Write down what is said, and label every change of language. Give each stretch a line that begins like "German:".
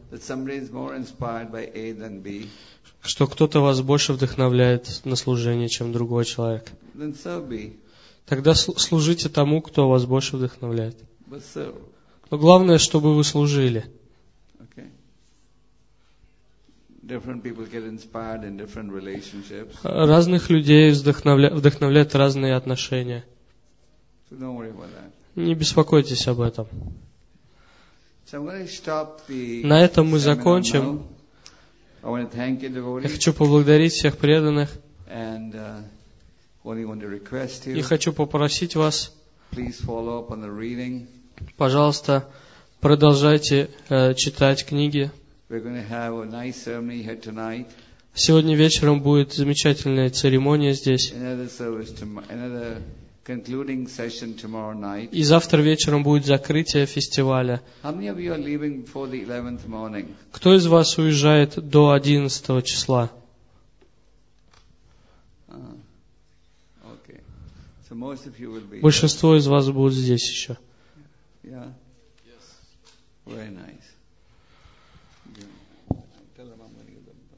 English: That somebody is more inspired by A than B.
Russian: Что кто-то вас больше вдохновляет на служение, чем другой человек.
English: Then so be.
Russian: Тогда служите тому, кто вас больше вдохновляет. Но главное, чтобы вы служили.
English: Okay. Different people get inspired in different relationships.
Russian: Разных людей вдохновляют разные отношения.
English: So don't worry about that.
Russian: Не беспокойтесь об этом.
English: So I'm going to stop the
Russian: На этом мы закончим.
English: I want to thank you, devotees.
Russian: Я хочу поблагодарить всех преданных.
English: And, only want to request you.
Russian: И хочу попросить вас.
English: Please follow up on the reading.
Russian: Пожалуйста, продолжайте читать книги.
English: We're going to have a nice ceremony here tonight.
Russian: Сегодня вечером будет замечательная церемония здесь.
English: Another service tomorrow, another concluding session tomorrow night.
Russian: И завтра вечером будет закрытие фестиваля.
English: How many of you are leaving before the 11th morning?
Russian: Кто из вас уезжает до 11 числа?
English: Okay. So most of you will be
Russian: Большинство here. Из вас будут здесь еще.
English: Yeah. Yes. Very nice. Yeah. Tell them I'm going to give them.